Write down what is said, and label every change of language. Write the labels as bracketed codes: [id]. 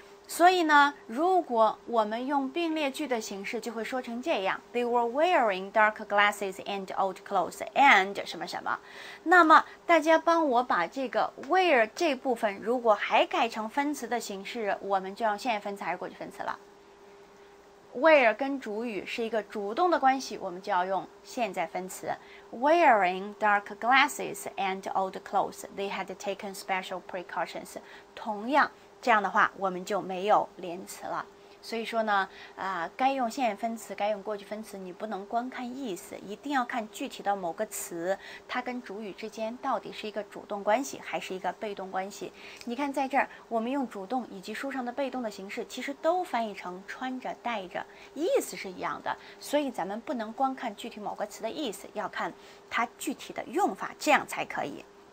[zh] 所以呢，如果我们用并列句的形式，就会说成这样 ： [en] They were wearing dark glasses and old clothes and [zh] 什么什么。那么大家帮我把这个 wear 这部分，如果还改成分词的形式，我们就用现在分词还是过去分词了 ？Wear 跟主语是一个主动的关系，我们就要用现在分词。 [en] Wearing dark glasses and old clothes, they had taken special precautions. [zh] 同样。这样的话我们就没有连词了，所以说呢，该用现在分词该用过去分词，你不能光看意思，一定要看具体的某个词它跟主语之间到底是一个主动关系还是一个被动关系。你看在这儿我们用主动以及书上的被动的形式其实都翻译成穿着戴着，意思是一样的，所以咱们不能光看具体某个词的意思，要看它具体的用法，这样才可以。